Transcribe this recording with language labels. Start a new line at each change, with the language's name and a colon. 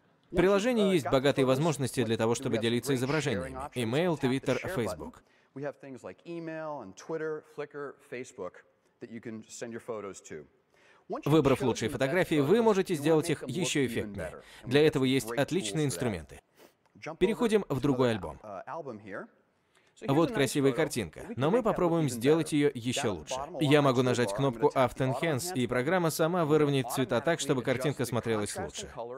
Russian: В приложении есть богатые возможности для того, чтобы делиться изображениями. Email, Twitter, Facebook.
English: We have things like email and Twitter, Flickr, Facebook that you can send your photos to.
Russian: Выбрав лучшие фотографии, вы можете сделать их еще эффектнее. Для этого есть отличные инструменты. Переходим в другой альбом. Вот красивая картинка, но мы попробуем сделать ее еще лучше. Я могу нажать кнопку Auto Enhance, и программа сама выровняет цвета так, чтобы картинка смотрелась лучше.